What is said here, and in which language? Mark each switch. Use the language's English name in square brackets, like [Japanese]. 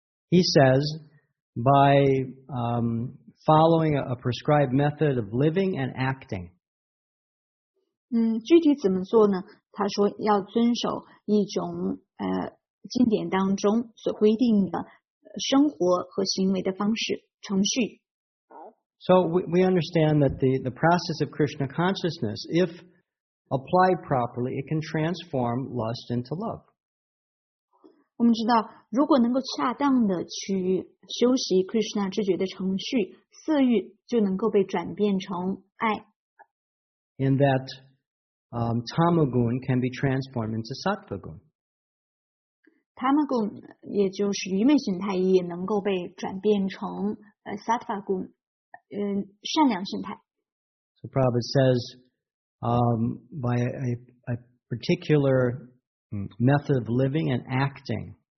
[English] He says, by following a prescribed method of living and acting. [Chinese] 具体怎么做呢？他说要遵守一种经典当中所规定的生活和行为的方式程序。 [English] So we understand that the process of Krishna consciousness, if applied properly, it can transform lust into love. [Chinese] 我们知道，如果能够恰当的去修习 Krishna 知觉的程序，色欲就能够被转变成爱。 [English] In that tamagun can be transformed into sattvagun. [Chinese] Tamagun 也就是愚昧形态，也能够被转变成sattvagun。善良心态。 [English] So Prabhupada says, by a particular method of living and acting.